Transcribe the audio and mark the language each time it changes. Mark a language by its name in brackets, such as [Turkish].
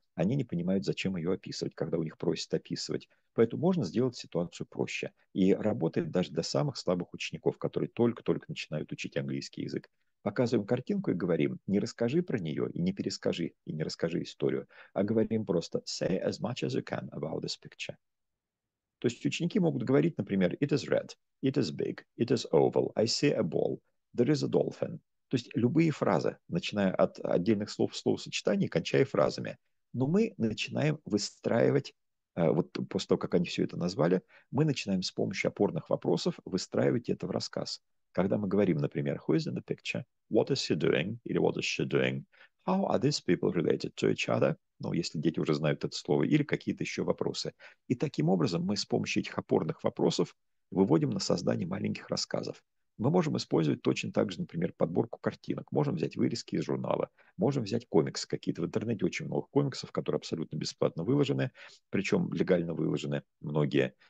[Russian] Они не понимают, зачем ее описывать, когда у них просят описывать. Поэтому можно сделать ситуацию проще. И работает даже для самых слабых учеников, которые только-только начинают учить английский язык. Показываем картинку и говорим, не расскажи про нее и не перескажи, и не расскажи историю, а говорим просто [English] say as much as you can about this picture. [Russian] То есть ученики могут говорить, например, [English] it is red, it is big, it is oval, I see a ball, there is a dolphin. [Russian] То есть любые фразы, начиная от отдельных слов, словосочетаний, кончая фразами. Но мы начинаем выстраивать Вот после того, как они все это назвали, мы начинаем с помощью опорных вопросов выстраивать это в рассказ. Когда мы говорим, например, [English] who is in the picture, what is he doing, [Russian] или [English] what is she doing, how are these people related to each other, [Russian] ну, если дети уже знают это слово, или какие-то еще вопросы. И таким образом мы с помощью этих опорных вопросов выводим на создание маленьких рассказов. Мы можем использовать точно так же, например, подборку картинок. Можем взять вырезки из журнала, можем взять комиксы какие-то. В интернете очень много комиксов, которые абсолютно бесплатно выложены, причем легально выложены многие.